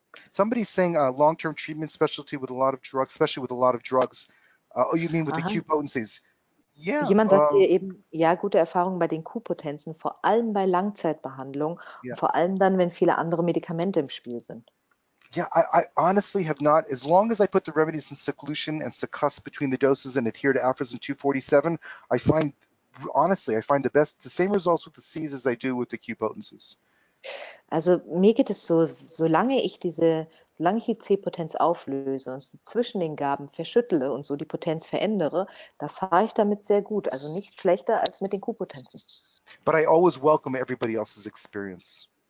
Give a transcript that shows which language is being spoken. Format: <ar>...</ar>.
<en>Somebody's saying a long-term treatment specialty with a lot of drugs, especially with a lot of drugs. Oh, you mean with the Q-potencies? Yeah.</en> <de>Jemand sagt hier eben, ja, gute Erfahrungen bei den Q-Potenzen, vor allem bei Langzeitbehandlung, vor allem dann, wenn viele andere Medikamente im Spiel sind.</de> <en>Yeah, I honestly have not. As long as I put the remedies in seclusion and succuss between the doses and adhere to aphorism 247, I find the best, the same results with the C's as I do with the Q potencies.</en> <de>Also mir geht es so, solange ich die C-Potenz auflöse und so zwischen den Gaben verschüttele und so die Potenz verändere, da fahre ich damit sehr gut, also nicht schlechter als mit den Q-Potenzen.</de> <en>But I always welcome everybody else's experience.</en>